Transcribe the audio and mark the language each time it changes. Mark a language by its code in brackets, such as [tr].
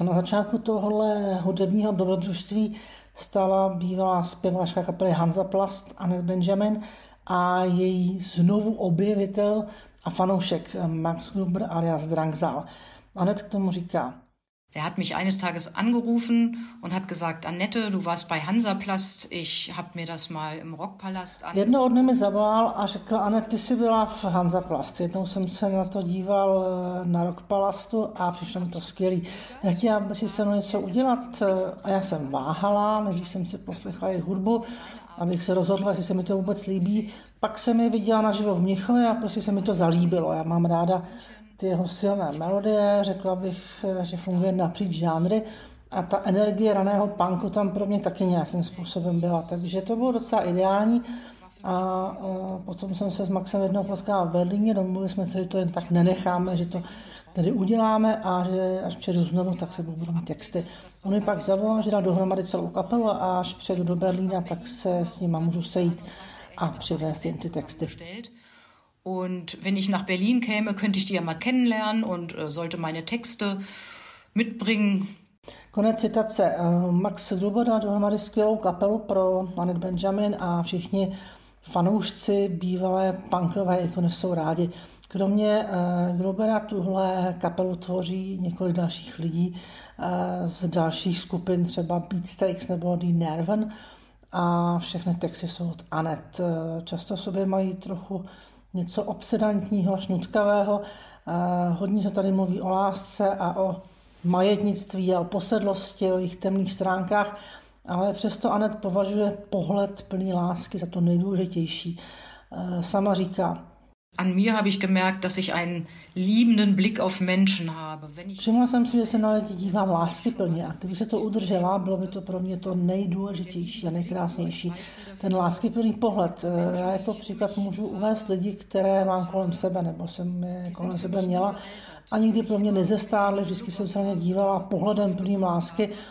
[cs] Na začátku tohle hudebního dobrodružství stála bývalá zpěvačka kapely Hansa Plast, Annette Benjamin, a její znovu objevitel a fanoušek Max Gruber alias Drangsal. Annette k tomu říká: [de] Er hat mich eines Tages angerufen und hat gesagt, Annette, du warst bei Hansaplast, ich hab mir das mal im Rockpalast angeguckt. [cs] Jednoho dne mi zavolal a řekl, Annette, ty jsi byla v Hansaplast. Jednou jsem se na to díval na Rockpalastu a přišlo mi to skvělý. Nechtěla by si se mnou něco udělat a já jsem váhala, než jsem si poslechla jejich hudbu, abych se rozhodla, jestli se mi to vůbec líbí. Pak jsem je viděla naživo v Mnichově a prostě se mi to zalíbilo. Já mám ráda ty jeho silné melodie, řekla bych, že funguje napříč žánry, a ta energie raného punku tam pro mě taky nějakým způsobem byla, takže to bylo docela ideální. A potom jsem se s Maxem jednou potkala v Berlíně, domluvili jsme se, že to jen tak nenecháme, že to tady uděláme a že až přijedu znovu, tak se budu mít texty. On mi pak zavolal, že dá dohromady celou kapelu a až přijedu do Berlína, tak se s nima můžu sejít a přivést jen ty texty. [de] Und wenn ich nach Berlin käme, könnte ich die ja mal kennenlernen und sollte meine Texte mitbringen. [cs] Konec citace. Max Gruber dá dohromady skvělou kapelu pro Annette Benjamin a všichni fanoušci bývalé punkové ikony jsou rádi. Kromě Grubera tuhle kapelu tvoří několik dalších lidí z dalších skupin, třeba Beatsteaks nebo The Nerven, a všechny texty jsou od Annette. Často v sobě mají trochu něco obsedantního až nutkavého. Hodně se tady mluví o lásce a o majetnictví a o posedlosti, o jejich temných stránkách, ale přesto Annette považuje pohled plný lásky za to nejdůležitější. Sama říká: [de] An mir habe ich gemerkt, dass ich einen liebenden Blick auf Menschen habe. [cs] Všimla jsem si, že se na lidi dívám láskyplně. A kdyby se to udržela, bylo by to pro mě to nejdůležitější a nejkrásnější. Ten láskyplný pohled. Já jako příklad můžu uvést lidi, které mám kolem sebe, nebo jsem je kolem sebe měla, a nikdy pro mě nezestárly, vždycky jsem se na ně dívala pohledem plným lásky.